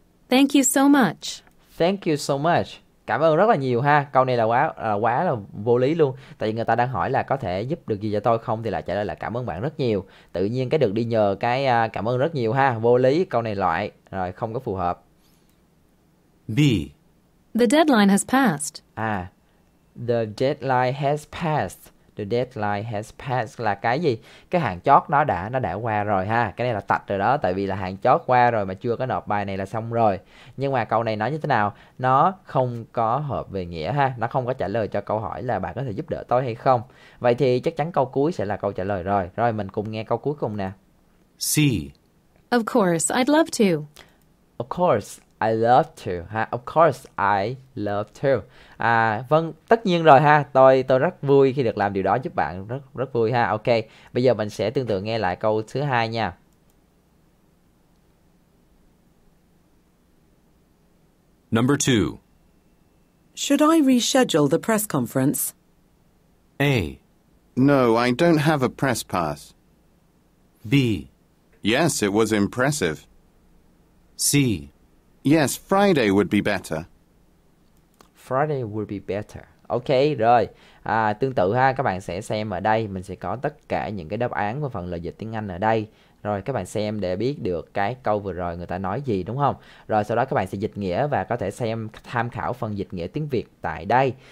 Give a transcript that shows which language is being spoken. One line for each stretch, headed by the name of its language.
English: Thank you so much. Thank you so much.
Vietnamese: Cảm ơn rất là nhiều ha. Câu này là quá là vô lý luôn. Tại vì người ta đang hỏi là có thể giúp được gì cho tôi không, thì lại trả lời là cảm ơn bạn rất nhiều. Tự nhiên cái được đi nhờ cái cảm ơn rất nhiều ha. Vô lý, câu này loại. Rồi, không có phù hợp.
English: B. The deadline has passed. À, the deadline has passed. The deadline has passed
Vietnamese: là cái gì? Cái hạn chót nó đã qua rồi ha. Cái này là tạch rồi đó, tại vì là hạn chót qua rồi mà chưa có nộp bài này là xong rồi. Nhưng mà câu này nói như thế nào? Nó không có hợp về nghĩa ha. Nó không có trả lời cho câu hỏi là bạn có thể giúp đỡ tôi hay không. Vậy thì chắc chắn câu cuối sẽ là câu trả lời rồi. Rồi mình cùng nghe câu cuối cùng nè.
English: C. Of course, I'd love to. Of course, I love to. Ha? Of course, I love to.
Vietnamese: À, vâng, tất nhiên rồi ha. Tôi rất vui khi được làm điều đó giúp bạn. Rất rất vui ha. Ok, bây giờ mình sẽ tương tự nghe lại câu thứ hai nha.
English: Number two. Should I reschedule the press conference? A. No, I don't have a press pass. B. Yes, it was impressive. C. Yes, Friday would be better. Friday would be better. Ok, rồi.
Vietnamese: À, tương tự ha, các bạn sẽ xem ở đây. Mình sẽ có tất cả những cái đáp án và phần lời dịch tiếng Anh ở đây. Rồi, các bạn xem để biết được cái câu vừa rồi người ta nói gì, đúng không? Rồi, sau đó các bạn sẽ dịch nghĩa và có thể xem tham khảo phần dịch nghĩa tiếng Việt tại đây.